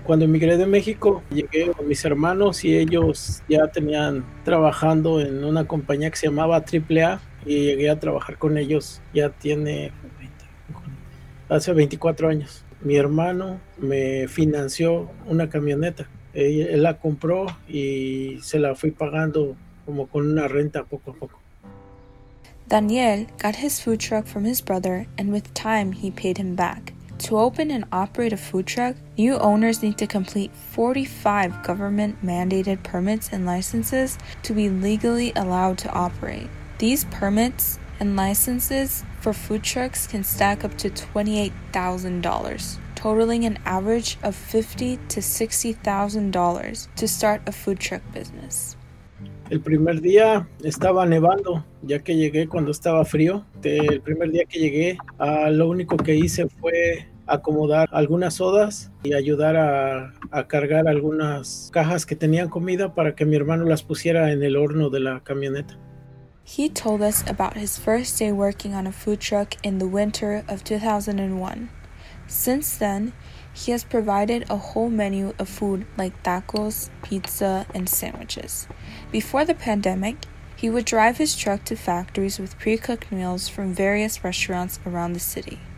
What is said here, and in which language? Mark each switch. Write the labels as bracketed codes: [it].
[es] Cuando emigré de México, llegué con mis hermanos y ellos ya tenían trabajando en una compañía que se llamaba AAA y llegué a trabajar con ellos ya tiene hace 24 años. Mi hermano me financió una camioneta. Él la compró y se la fui pagando como con una renta poco a poco. [en] Daniel got his food truck from his brother, and with time, he paid him back. To open and operate a food truck, new owners need to complete 45 government-mandated permits and licenses to be legally allowed to operate. These permits and licenses for food trucks can stack up to $28,000, totaling an average of $50,000 to $60,000 to start a food truck business. [es] El primer día estaba nevando, ya que llegué cuando estaba frío. El primer día que llegué, lo único que hice fue acomodar algunas sodas y ayudar a cargar algunas cajas que tenían comida para que mi hermano las pusiera en el horno de la camioneta. [en] He told us about his first day working on a food truck in the winter of 2001. Since then, he has provided a whole menu of food like tacos, pizza, and sandwiches. Before the pandemic, he would drive his truck to factories with pre-cooked meals from various restaurants around the city.